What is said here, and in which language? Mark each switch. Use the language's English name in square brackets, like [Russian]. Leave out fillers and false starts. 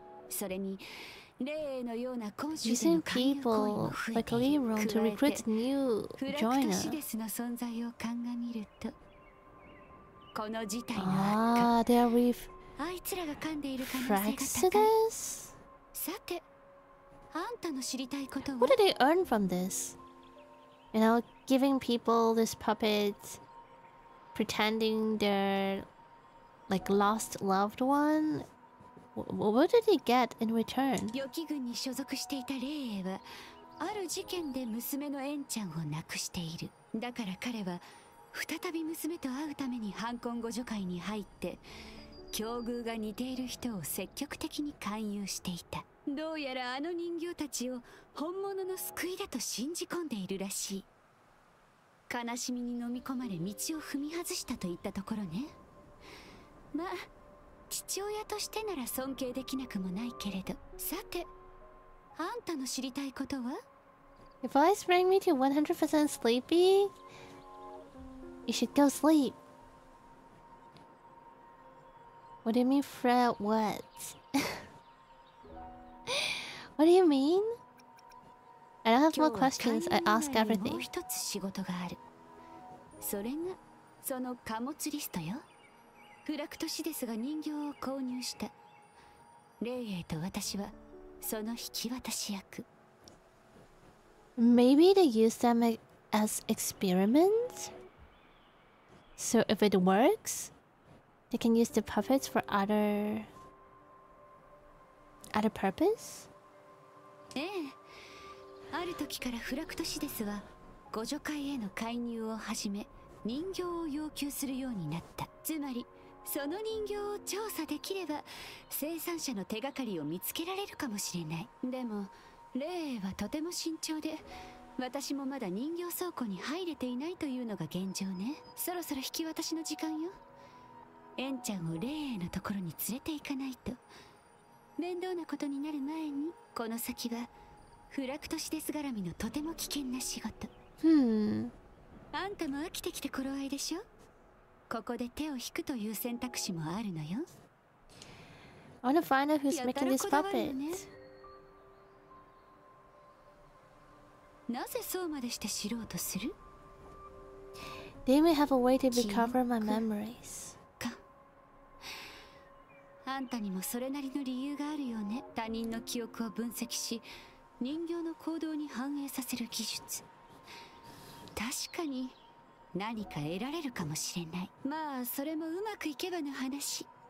[Japanese] それに、例のような公衆での関与行為も増えている。加えて、フラクトシデスの存在を鑑みると、この事態の悪化、あいつらが噛んでいる可能性が高い。フラクス？さて、あんたの知りたいことは？ [English] What do they earn from this? You know, giving people this puppet, pretending they're like lost loved one. What did he get in return? [Japanese] 予期軍に所属していたレイエはある事件で娘のエンちゃんを亡くしている。だから彼は再び娘と会うために犯困互助会に入って、境遇が似ている人を積極的に勧誘していた。どうやらあの人形たちを本物の救いだと信じ込んでいるらしい。悲しみに飲み込まれ道を踏み外したといったところね。まあ父親としてなら尊敬できなくもないけれど。さて、あんたの知りたいことは？ [English] If I sprang me to 100% sleepy, you should go sleep. What do you mean, Fred? What? What do you mean? I don't have more questions. I ask everything. [Japanese] もう一つ仕事がある。それがその貨物リストよ。フラクトシデスが人形を購入した。レイエイと私はその引き渡し役。 [English] Maybe they use them as experiments? So if it works, they can use the puppets for other purpose? [Japanese] ええ、ある時からフラクトシデスは互助会への介入をはじめ、人形を要求するようになった。つまりその人形を調査できれば生産者の手がかりを見つけられるかもしれない。でもレイはとても慎重で、私もまだ人形倉庫に入れていないというのが現状ね。そろそろ引き渡しの時間よ。エンちゃんをレイのところに連れて行かないと。面倒なことになる前に、この先はフラクトシデス絡みのとても危険な仕事。あんたも飽きてきた頃合いでしょ。ここで手を引くという選択肢もあるのよ。 [English] I wanna find out who's making this puppet. [Japanese] なぜそうまでして知ろうとする？ [English] They may have a way to recover my memories. [Japanese] か。あんたにもそれなりの理由があるよね。他人の記憶を分析し、人形の行動に反映させる技術。確かに。何か得られるかもしれない。まあそれもうまくいけばの話。